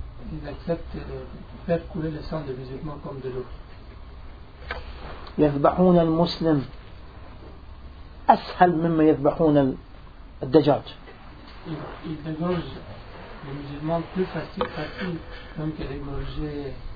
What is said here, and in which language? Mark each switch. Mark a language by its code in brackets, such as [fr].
[fr] Ils acceptent de faire couler le sang des musulmans comme de l'eau. [ar] يذبحون المسلم أسهل مما يذبحون الدجاج. [fr] Ils égorgent les musulmans plus facile même que d'égorger.